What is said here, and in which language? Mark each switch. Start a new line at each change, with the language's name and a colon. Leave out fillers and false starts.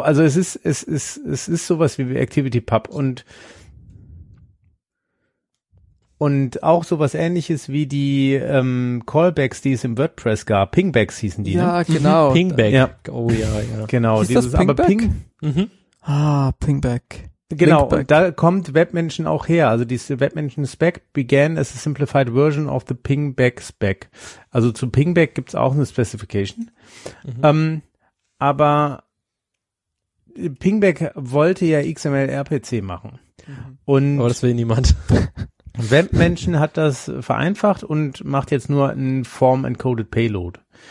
German: Also es ist sowas wie ActivityPub und auch sowas Ähnliches wie die Callbacks, die es im WordPress gab. Pingbacks hießen die, ja, ne? Ja, genau. Pingback. Ja. Oh ja, ja. Genau. Ist dieses, das Pingback? Aber Pingback. Pingback. Genau, und da kommt Webmention auch her. Also diese
English: Webmention Spec began as a simplified version of the Pingback Spec.
German: Also zu Pingback gibt's auch eine Specification. Mhm. Aber Pingback wollte ja XML RPC machen. Mhm. Und aber das will niemand. Webmention hat das vereinfacht und macht jetzt nur ein Form Encoded Payload.